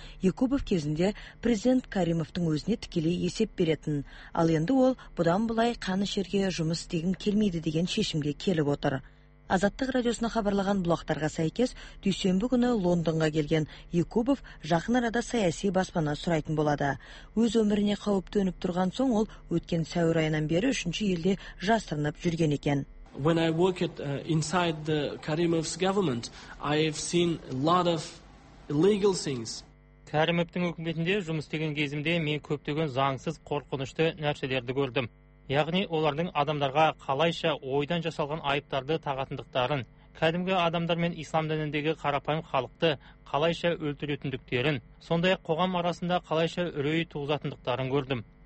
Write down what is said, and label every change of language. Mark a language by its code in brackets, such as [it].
[kk] Якубов кезінде президент Каримовтың өзіне тікелей есеп беретін, ал енді ол бұдан былай қанішерге жұмыс істегім келмейді деген шешімге келіп отыр. Азаттық радиосына хабарлаған бұлақтарға сәйкес, дүйсенбі күні Лондонға келген Якубов жақын арада саяси баспана сұрайтын болады. Өз өміріне қауіп төніп тұрған соң ол өткен сәуір айынан бері 3-ші елде жасырынып жүрген екен. [en] When I work at inside the Karimov's government, I have seen a lot of illegal things. [kk] Karimov'tың үкіметінде жұмыс істеген кезімде мен көптеген заңсыз қорқынышты нәрселерді көрдім. Яғни олардың адамдарға қалайша ойдан жасалған айыптарды тағатындықтарын, кәдімгі адамдар мен ислам дініндегі қарапайым халықты қалайша өлтіретіндіктерін, сондай-ақ қоғам арасында қалайша үрей туғызатындықтарын көрдім.